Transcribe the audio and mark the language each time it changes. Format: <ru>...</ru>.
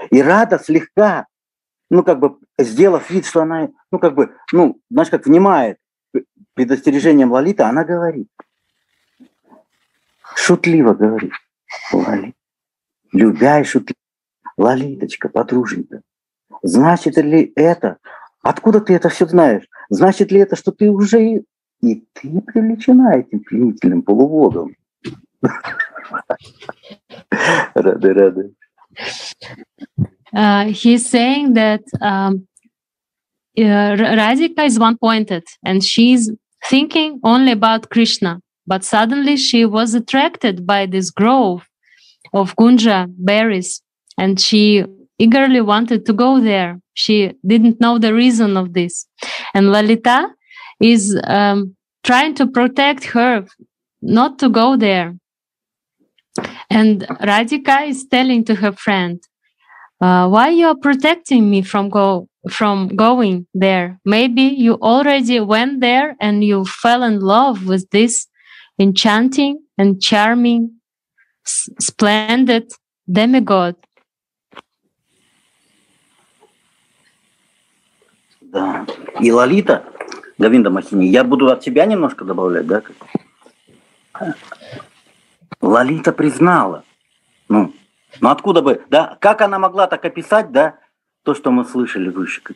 <ru>И Рада слегка, ну как бы сделав вид, что она, ну как бы, ну знаешь, как внимает предостережением Лолиты, она говорит, шутливо говорит, Лолита, любя и шутливо, Лолиточка, подруженька, значит ли это, откуда ты это все знаешь? Значит ли это, что ты уже и ты привлечена этим пленительным полуводом? Рады, рады.</ru> <en>He's saying that Radhika is one-pointed, and she's thinking only about Krishna. But suddenly she was attracted by this grove of Gunja berries, and she eagerly wanted to go there. She didn't know the reason of this. And Lolita is trying to protect her not to go there. And Radhika is telling to her friend, why you are protecting me from going there? Maybe you already went there and you fell in love with this enchanting and charming, splendid demigod.</en> <ru>Да. И Лолита, Говинда Махини, я буду от тебя немножко добавлять, да? Лолита признала. Ну откуда бы, да? Как она могла так описать, да? То, что мы слышали выше.</ru>